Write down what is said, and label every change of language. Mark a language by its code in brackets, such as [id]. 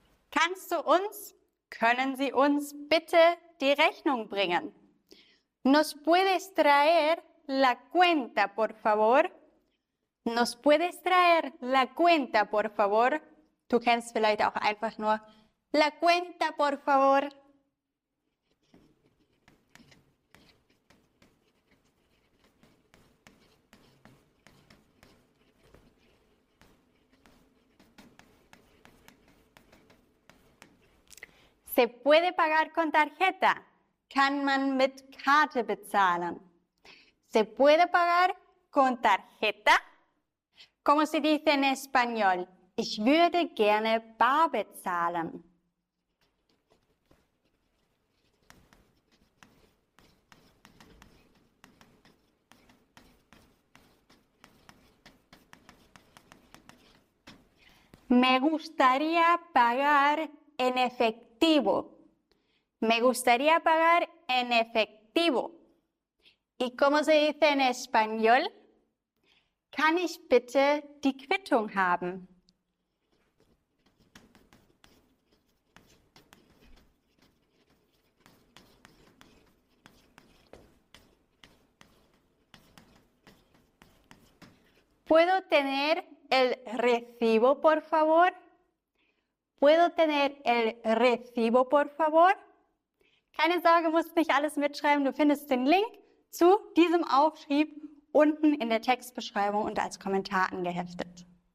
[de] Kannst du uns, können Sie uns bitte die Rechnung bringen? [es] Nos puedes traer la cuenta, por favor? ¿Nos puedes traer la cuenta, por favor? [de] Du kennst vielleicht auch einfach nur, [es] La cuenta, por favor. Se puede pagar con tarjeta. [de] Kann man mit Karte bezahlen. [es] Se puede pagar con tarjeta. ¿Cómo se dice en español? [de] Ich würde gerne bar bezahlen. [es] Me gustaría pagar en efectivo. Me gustaría pagar en efectivo. ¿Y cómo se dice en español? [de] Kann ich bitte die Quittung haben? [es] ¿Puedo tener el recibo, por favor? ¿Puedo tener el recibo, por favor? [de] Keine Sorge, musst nicht alles mitschreiben. Du findest den Link zu diesem Aufschrieb unten in der Textbeschreibung und als Kommentar angeheftet.